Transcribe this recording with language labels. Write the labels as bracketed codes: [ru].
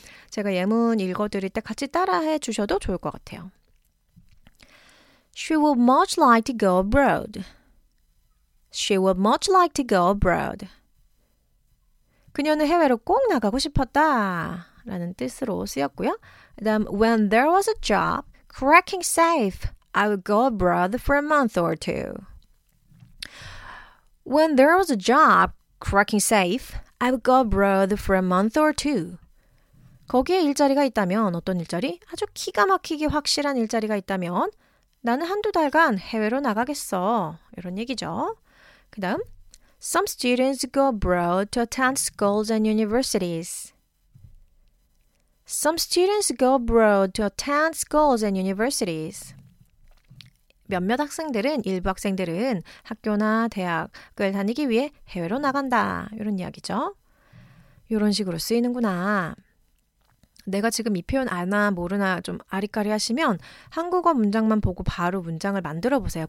[ko] 제가 예문 읽어드릴 때 같이 따라해 주셔도 좋을 것 같아요. [en] She would much like to go abroad. She would much like to go abroad. [ko] 그녀는 해외로 꼭 나가고 싶었다 라는 뜻으로 쓰였고요. 그 다음, [en] when there was a job, cracking safe. I would go abroad for a month or two. When there was a job cracking safe, I would go abroad for a month or two. [ko] 거기에 일자리가 있다면, 어떤 일자리? 아주 기가 막히게 확실한 일자리가 있다면, 나는 한두 달간 해외로 나가겠어. 이런 얘기죠. 그 다음, [en] Some students go abroad to attend schools and universities. Some students go abroad to attend schools and universities. [ko] 몇몇 학생들은, 일부 학생들은 학교나 대학을 다니기 위해 해외로 나간다. 이런 이야기죠. 이런 식으로 쓰이는구나. 내가 지금 이 표현 아나 모르나 좀 아리까리 하시면 한국어 문장만 보고 바로 문장을 만들어 보세요.